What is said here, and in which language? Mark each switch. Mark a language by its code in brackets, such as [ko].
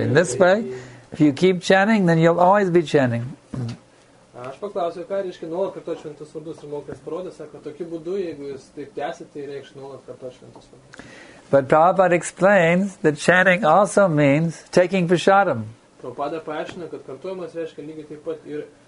[en] In this way, if you keep chanting, then you'll always be chanting. [lt] Aš paklausiu, ką reiškia nuolat kartuoti šventus vardus ir mokės parodė, sako, tokiu būdu, jeigu jūs taip tęsit, tai reikšt nuolat kartuoti šventus vardus. [en] But Prabhupada explains that chanting also means taking prasadam. [lt] Prabhupada paaiškina, kad kartuojimas reiškia lygiai taip pat ir